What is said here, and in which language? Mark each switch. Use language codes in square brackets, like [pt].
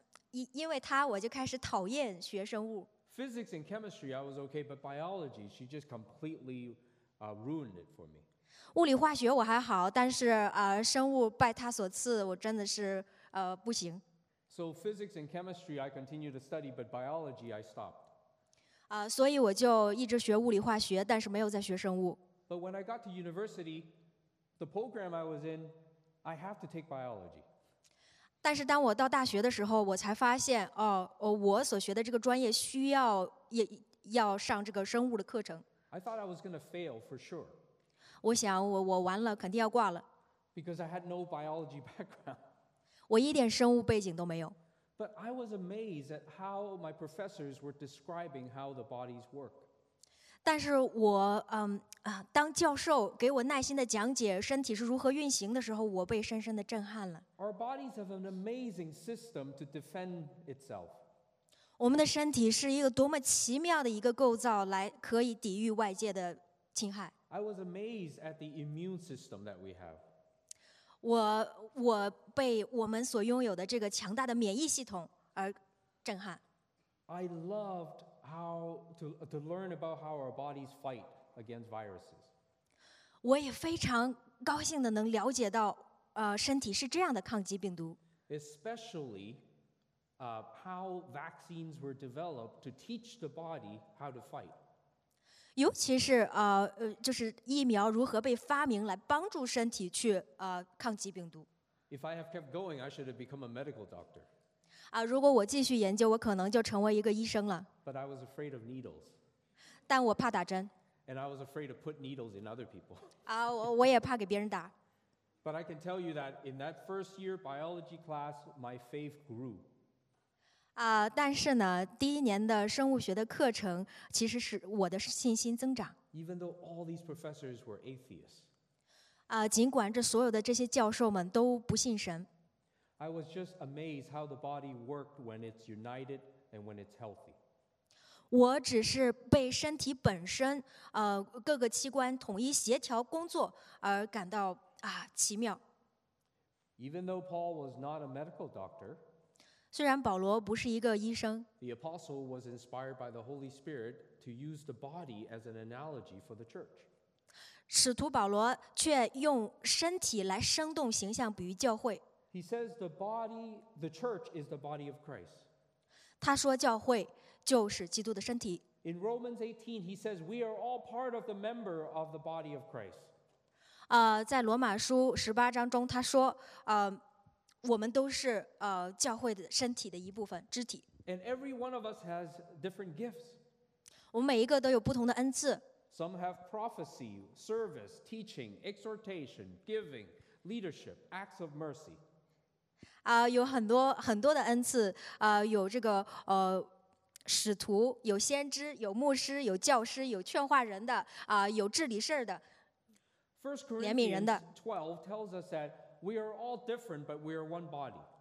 [zh] 因为她，我就开始讨厌学生物。 [en] Physics and chemistry, I was okay, but biology, she just completely ruined it for me. [zh] 物理化学我还好，但是生物拜他所赐，我真的是不行。 [en] So physics and chemistry I continue to study, but biology I stopped. [zh] 所以我就一直学物理化学，但是没有再学生物。 [en] But when I got to university, the program I was in, I have to take biology. [zh] 但是当我到大学的时候，我才发现，我所学的这个专业需要也要上这个生物的课程。 [en] I thought I was going to fail for sure. [zh] 我想我完了，肯定要挂了。 [en] Because I had no biology background. [zh] 我一点生物背景都没有。 [en] But I was amazed at how my professors were describing how the bodies work. [zh] 但是我当教授给我耐心的讲解身体是如何运行的时候，我被深深的震撼了。 [en] Our bodies have an amazing system to defend itself. [zh] 我们的身体是一个多么奇妙的一个构造，来可以抵御外界的侵害。 [en] I was amazed at the immune system that we have. [zh] 我被我们所拥有的这个强大的免疫系统而震撼。 [en] I loved how to learn about how our bodies fight against viruses. [zh] 我也非常高兴的能了解到，身体是这样的抗击病毒。 [en] Especially, how vaccines were developed to teach the body how to fight. [zh] 尤其是就是疫苗如何被发明来帮助身体去抗击病毒。 [en] If I have kept going, I should have become a medical doctor. [zh] 如果我继续研究，我可能就成为一个医生了。 [en] But I was afraid of needles. [zh] 但我怕打针。 [en] And I was afraid to put needles in other people. [zh] 我也怕给别人打。 [en] But I can tell you that in that first year biology class, my faith grew. [zh] 但是呢，第一年的生物学的课程其实是我的信心增长。 [en] Even though all these professors were atheists. [zh] 尽管这所有的这些教授们都不信神。 [en] I was just amazed how the body worked when it's united and when it's healthy. [zh] 我只是被身体本身各个器官统一协调工作而感到奇妙。 [en] Even though Paul was not a medical doctor. [zh] 虽然保罗不是一个医生， [en] The apostle was inspired by the Holy Spirit to use the body as an analogy for the church. [zh] 使徒保罗却用身体来生动形象比喻教会。 [en] He says the body, the church is the body of Christ. [zh] 他说教会就是基督的身体。 [en] In Romans 18, he says we are all part of the member of the body of Christ. [zh] 在罗马书十八章中他说，我们都是教会的身体的一部分，肢体。 [en] And every one of us has different gifts. [zh] 我们每一个都有不同的恩赐。 [en] Some have prophecy, service, teaching, exhortation, giving, leadership, acts of mercy. [zh] 有很多很多的恩赐，有这个使徒，有先知，有牧师，有教师，有劝化人的，有治理事的，怜悯人的。 [en] First Corinthians 12 tells us that. We are all different, but we are one body.